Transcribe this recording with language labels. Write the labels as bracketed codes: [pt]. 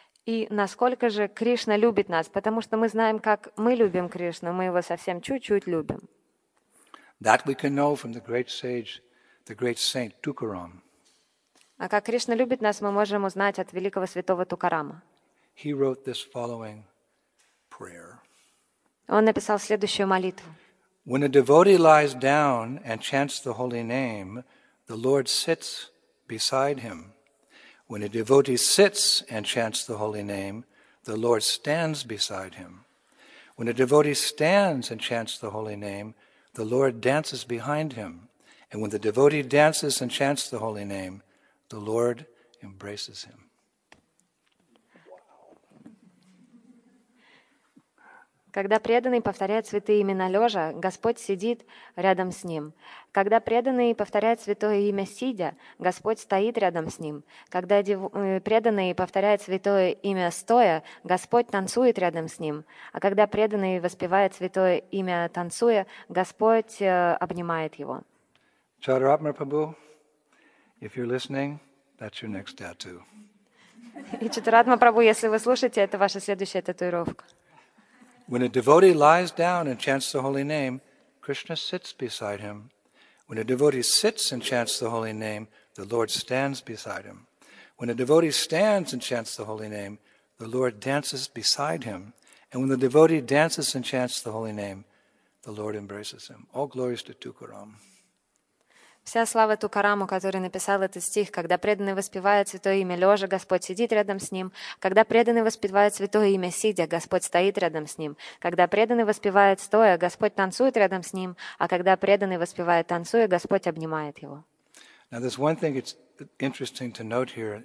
[ru] И насколько же Кришна любит нас, потому что мы знаем, как мы любим Кришну, мы его совсем чуть-чуть любим. [en] That we can know from the great sage, the great saint Tukaram. [ru] А как Кришна любит нас, мы можем узнать от великого святого Тукарама. [en] He wrote this following prayer. [ru] Он написал следующую молитву. [en] When a devotee lies down and chants the holy name, the Lord sits beside him. When a devotee sits and chants the holy name, the Lord stands beside him. When a devotee stands and chants the holy name, the Lord dances behind him. And when the devotee dances and chants the holy name, the Lord embraces him. [ru] Когда преданный повторяет святые имена лежа, Господь сидит рядом с ним. Когда преданный повторяет святое имя сидя, Господь стоит рядом с ним. Когда преданный повторяет святое имя стоя, Господь танцует рядом с ним. А когда преданный воспевает святое имя танцуя, Господь обнимает его. [en] Chaturatma Prabhu, if you're listening, that's your next tattoo. [ru] И Чатуратма Прабу, если вы слушаете, это ваша следующая татуировка. [en] When a devotee lies down and chants the holy name, Krishna sits beside him. When a devotee sits and chants the holy name, the Lord stands beside him. When a devotee stands and chants the holy name, the Lord dances beside him. And when the devotee dances and chants the holy name, the Lord embraces him. All glories to Tukaram. [ru] Вся слава Тукараму, который написал этот стих. Когда преданный воспевает святое имя лежа, Господь сидит рядом с ним. Когда преданный воспевает святое имя сидя, Господь стоит рядом с ним. Когда преданный воспевает стоя, Господь танцует рядом с ним. А когда преданный воспевает танцуя, Господь обнимает его. [en] Now there's one thing it's interesting to note here.